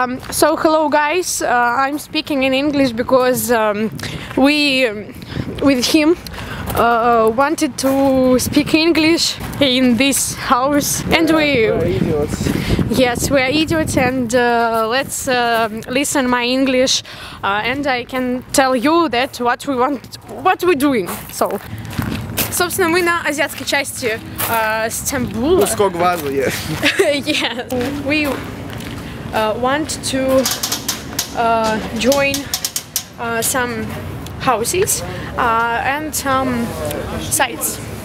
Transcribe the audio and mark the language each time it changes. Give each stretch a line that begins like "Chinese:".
English: So hello guys, I'm speaking in English because we with him wanted to speak English in this house, and we are idiots, and let's listen my English, and I can tell you that what we want, what we're doing.
Russian: So, собственно, мы на азиатской части Стамбула.
English: Ускогвазу, yes. Yes. We want to join some houses and some sites.